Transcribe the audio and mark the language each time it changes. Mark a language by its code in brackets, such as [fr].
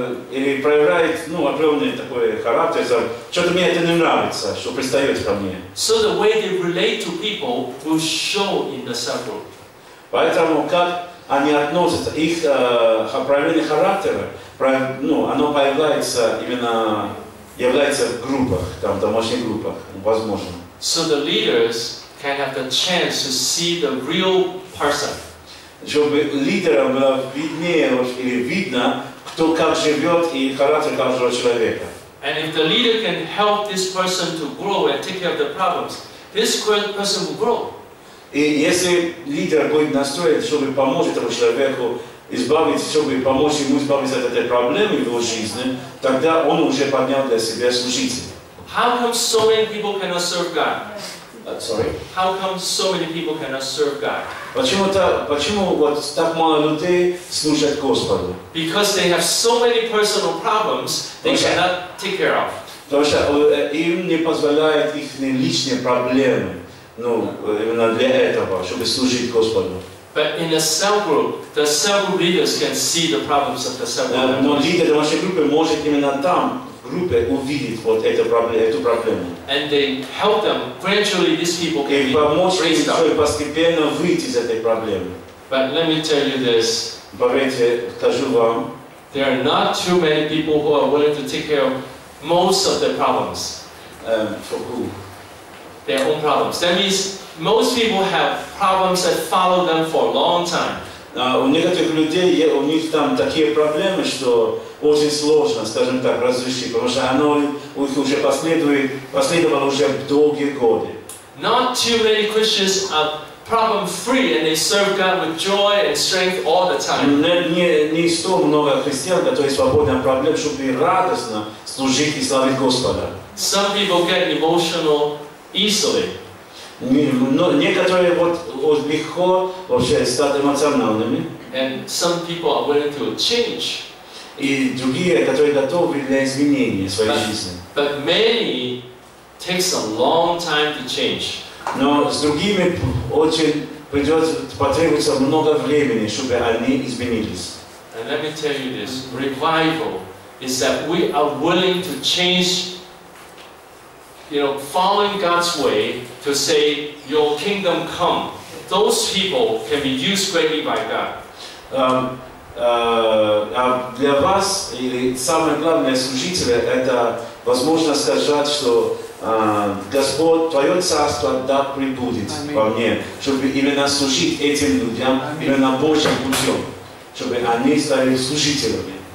[ru] Или проявляет, ну, определенный такой характер, что-то мне это не нравится, что пристает ко мне. [en] So the way they relate to people will show in the circle. [ru] Поэтому как они относятся, их проявление характера, ну, оно появляется именно, является в группах, там, в домашних группах, возможно. [en] So the leaders can have the chance to see the real person. [ru] Чтобы лидерам было виднее или видно, кто как живет и характер каждого человека. [en] And if the leader can help this person to grow and take care of the problems, this person will grow. [ru] И если лидер будет настроен, чтобы помочь этому человеку избавиться, чтобы помочь ему избавиться от этой проблемы в его жизни, тогда он уже поднял для себя служителя. [en] How come so many people cannot serve God? Sorry. How come so many people cannot serve God? [ru] Почему вот так мало людей служат Господу? [en] Because they have so many personal problems they cannot take care of. [ru] Потому что им не позволяет их личные проблемы, ну, именно для этого, чтобы служить Господу. [en] But in a cell group, the cell group leaders can see the problems of the cell group. [ru] Но лидер вашей группы может именно там группе увидеть вот эту проблему. [en] And they help them. Gradually, these people can be raised up. [ru] И постепенно выйти из этой проблемы. [en] But let me tell you this. [ru] Поверьте, скажу вам. [en] There are not too many people who are willing to take care of most of their problems. For who? Their own problems. That means most people have problems that follow them for a long time. [ru] У некоторых людей у них там такие проблемы, что очень сложно, скажем так, разрешить, потому что оно у них уже последовало уже долгие годы. [en] Not too many Christians are problem-free and they serve God with joy and strength all the time. [ru] Не столь много христиан, которые свободны от проблем, чтобы радостно служить и славить Господа. [en] Some people get emotional easily. [ru] Некоторые вот легко вообще стать эмоциональными. [en] And some people are willing to change. [ru] И другие, которые готовы для изменения своей жизни. [en] But many takes a long time to change. [ru] Но с другими очень потребуется много времени, чтобы они изменились. [en] And let me tell you this: revival is that we are willing to change. You know, following God's way to say, "Your kingdom come." Those people can be used greatly by God. [ru] для вас или самое главное служителя это возможно сказать, что Господь, Твое Царство да прибудет во мне, чтобы именно служить этим людям, именно Божьим путем, чтобы они стали служителями.